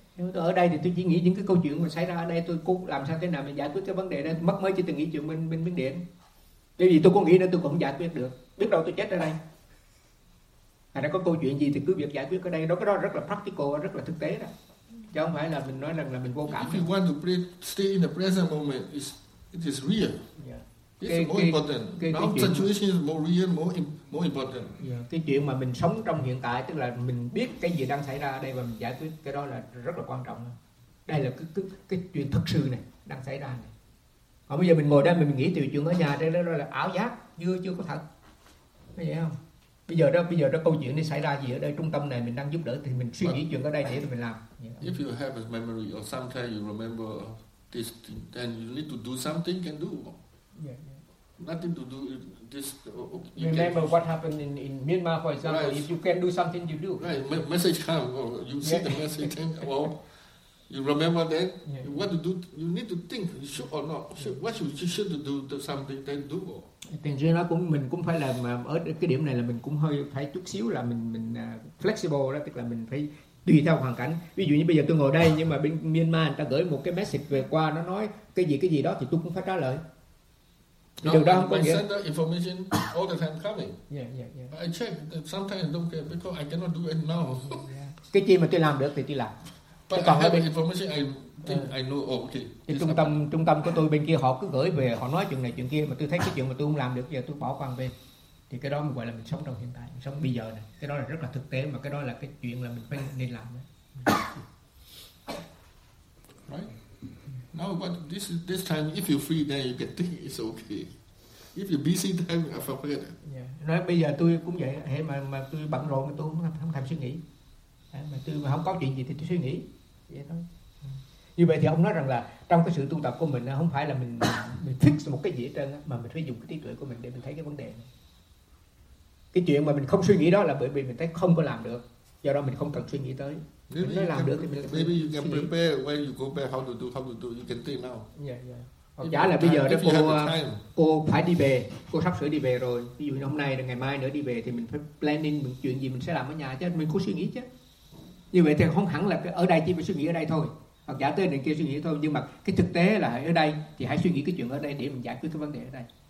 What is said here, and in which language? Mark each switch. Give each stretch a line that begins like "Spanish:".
Vietnamese: Tôi ở đây thì tôi chỉ nghĩ những cái câu chuyện mà xảy ra ở đây, tôi cũng làm sao thế nào để giải quyết cái vấn đề đó. Mất mới chỉ từng nghĩ chuyện bên Biên Điện. Tại vì tôi có nghĩ nữa tôi cũng giải quyết được. Biết đâu tôi chết ở đây. Nó có câu chuyện gì thì cứ việc giải quyết ở đây. Đó cái đó rất là practical, rất là thực tế đó. Chứ không phải là mình nói rằng là mình vô cảm.
English: If you want to stay in the present moment, it is real. Yeah. It's more important. Now situation is more real, more important. Yeah.
Vietnamese: Cái chuyện mà mình sống trong hiện tại, tức là mình biết cái gì đang xảy ra ở đây và mình giải quyết, cái đó là rất là quan trọng. Đây là cái chuyện thực sự này, đang xảy ra này. Còn bây giờ mình ngồi đây mình nghĩ từ chuyện ở nhà, đây đó là ảo giác, chưa có thật. Có vậy không? Bây giờ đó câu chuyện nó xảy ra gì ở đây, trung tâm này mình đang giúp đỡ thì mình suy nghĩ chuyện ở đây để mình làm.
English: If you have a memory or sometimes you remember this thing, then you need to do something, can do. Nothing to do this. You remember what happened in Myanmar, for example. Right. If you can do something, you do. Right. Message come. You see the message. Then, you remember that. Yeah. What to do? You need to think. You should or not? What you should do something, then do.
Vietnamese: Thì nên nó cũng mình cũng phải là ở cái điểm này là mình cũng hơi phải chút xíu là mình flexible đó, tức là mình phải tùy theo hoàn cảnh. Ví dụ như bây giờ tôi ngồi đây nhưng mà bên Myanmar người ta gửi một cái message về qua, nó nói cái gì đó thì tôi cũng phải trả lời. Điều đó không có nghĩa.
English: Information all the time coming. Yeah, yeah, yeah. I check. Sometimes I don't care because I cannot do it now.
Vietnamese: Cái chi mà tôi làm được thì tôi làm.
English: But còn I have bên... information. I know. Oh, okay.
Vietnamese: Thì trung tâm của tôi bên kia họ cứ gửi về, họ nói chuyện này chuyện kia, mà tôi thấy cái chuyện mà tôi không làm được giờ tôi bỏ qua bên. Thì cái đó mình gọi là mình sống trong hiện tại, mình sống bây giờ này. Cái đó là rất là thực tế, mà cái đó là cái chuyện là mình phải nên làm đấy.
English: Right. Now, but this time, if you free, then you can think it's okay. If you busy, then I forget it. Yeah.
Vietnamese: Nói bây giờ tôi cũng vậy, hệ mà tôi bận rộn thì tôi không thèm suy nghĩ. Mà tôi mà không có chuyện gì thì tôi suy nghĩ. Vậy thôi. Như vậy thì ông nói rằng là trong cái sự tu tập của mình không phải là mình fix một cái gì hết trơn, mà mình phải dùng cái trí tuệ của mình để mình thấy cái vấn đề này. Cái chuyện mà mình không suy nghĩ đó là bởi vì mình thấy không có làm được, do đó mình không cần suy nghĩ tới.
English: Maybe
Vietnamese: mình nói làm được thì mình
English: maybe you can prepare when you go back how to do you can think now. Yeah, yeah.
Vietnamese: Giả là bây giờ đó cô phải đi về, cô sắp sửa đi về rồi, ví dụ như hôm nay rồi ngày mai nữa đi về thì mình phải planning mình chuyện gì mình sẽ làm ở nhà chứ mình có suy nghĩ chứ. Như vậy thì không hẳn là ở đây chỉ phải suy nghĩ ở đây thôi, hoặc giả tới đằng kia suy nghĩ thôi, nhưng mà cái thực tế là ở đây thì hãy suy nghĩ cái chuyện ở đây để mình giải quyết cái vấn đề ở đây.